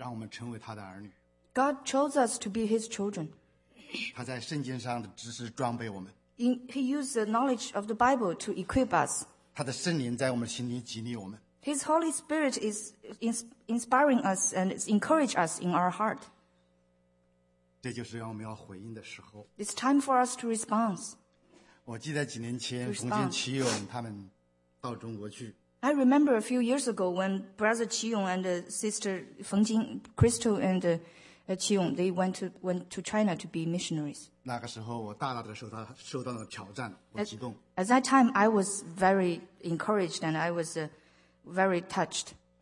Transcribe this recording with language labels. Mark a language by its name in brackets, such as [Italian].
[Chinese] 主他在真理警醒了我们，让我们成为他的儿女。 [English] God chose us to be His children. [Chinese] 他在圣经上的知识装备我们。 [English] He used the knowledge of the Bible to equip us. [Chinese] 他的圣灵在我们心里激励我们。 [English] His Holy Spirit is inspiring us and encourage us in our heart. [Chinese] 这就是让我们要回应的时候。 [English] It's time for us to respond. [Chinese] 我记得几年前冯金、齐勇他们到中国去。 [English] I remember a few years ago when Brother 齐勇 and Sister 冯金 Crystal and 齐勇 they went to China to be missionaries. [Chinese] 那个时候我大大的受到了挑战，我激动。 [English] At that time, I was very encouraged and I was very touched.